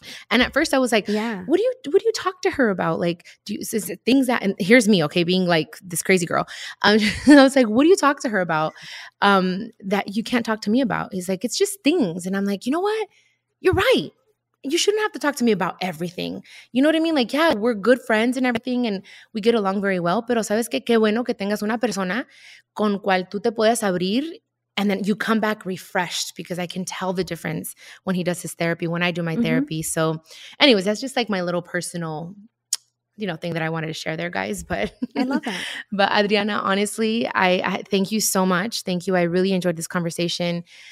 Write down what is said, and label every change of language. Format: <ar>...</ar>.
<en>And at first I was like, what do you talk to her about? Like, is it things that, and here's me, okay, being like this crazy girl. I was like, what do you talk to her about that you can't talk to me about? He's like, it's just things. And I'm like, you know what? You're right. You shouldn't have to talk to me about everything. You know what I mean? Like, yeah, we're good friends and everything, and we get along very well.</en> <es>Pero sabes que qué bueno que tengas una persona con cual tú te puedas abrir.</es> <en>And then you come back refreshed, because I can tell the difference when he does his therapy, when I do my therapy. So anyways, that's just like my little personal, you know, thing that I wanted to share there, guys. But I love that. But Adriana, honestly, I thank you so much. Thank you. I really enjoyed this conversation.</en>